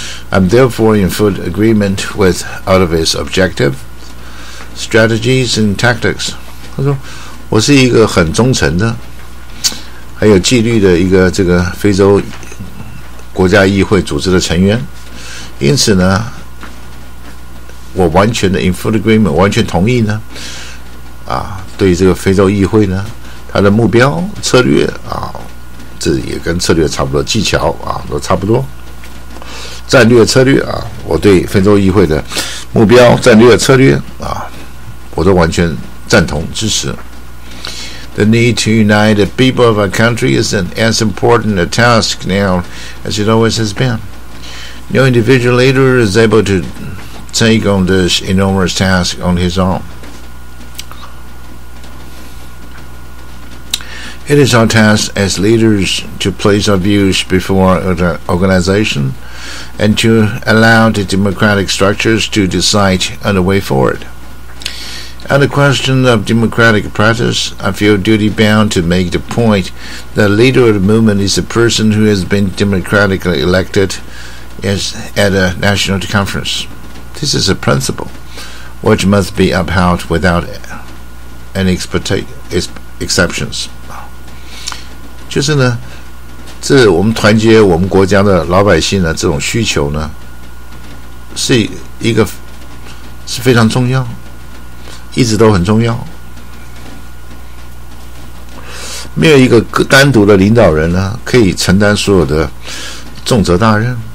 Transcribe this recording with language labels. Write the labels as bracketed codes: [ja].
[en] I'm therefore in full agreement with all of his objectives, strategies and tactics. [zh] 他说我是一个很忠诚的还有纪律的一个这个非洲国家议会组织的成员，因此呢我完全的 [en] in full agreement [zh] 完全同意呢啊，对这个非洲议会呢它的目标策略啊，这也跟策略差不多，技巧啊都差不多，战略策略啊，我对非洲议会的目标战略策略啊我都完全赞同支持。 [en] The need to unite the people of our country is as important a task now as it always has been. No individual leader is able to take on this enormous task on his own. It is our task as leaders to place our views before the organization and to allow the democratic structures to decide on the way forward. On the question of democratic practice, I feel duty-bound to make the point that a leader of the movement is a person who has been democratically elected at a national conference. This is a principle which must be upheld without any exceptions. [zh] 就是呢，这我们团结我们国家的老百姓的这种需求呢，是一个是非常重要，一直都很重要。没有一个单独的领导人呢，可以承担所有的重责大任。